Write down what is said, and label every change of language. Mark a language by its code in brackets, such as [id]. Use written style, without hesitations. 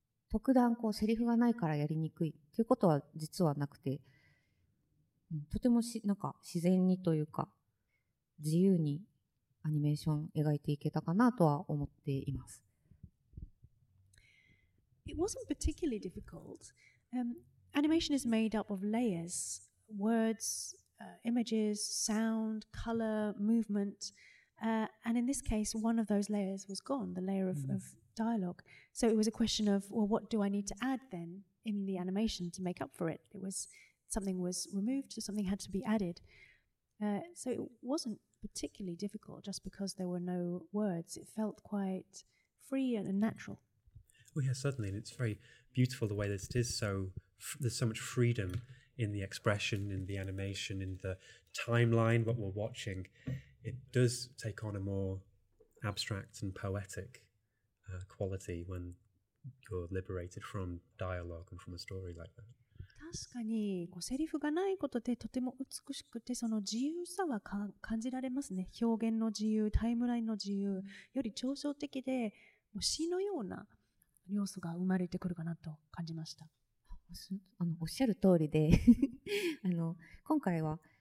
[ja] 特段こうセリフがないからやりにくいっていうことは実はなくて、とてもなんか自然にというか自由にアニメーションを描いていけたかなとは思っています。 [en] It wasn't particularly difficult. Animation is made up of layers, words, images, sound, color, movement, and in this case, one of those layers was gone, the layer of dialogue. So it was a question of, well, what do I need to add then in the animation to make up for it? It was something was removed, so something had to be added. So it wasn't particularly difficult just because there were no words. It felt quite free and natural. Well, yeah, certainly, and it's very beautiful the way that it is. So there's so much freedom in the expression, in the animation, in the timeline, what we're watching. It does take on a more abstract and poetic quality when you're liberated from dialogue and from a story like that. [ja] 確かにこうセリフがないことでとても美しくて、その自由さは感じられますね。表現の自由、タイムラインの自由、より抽象的で詩のような要素が生まれてくるかなと感じました。あのおっしゃる通りで、あの今回は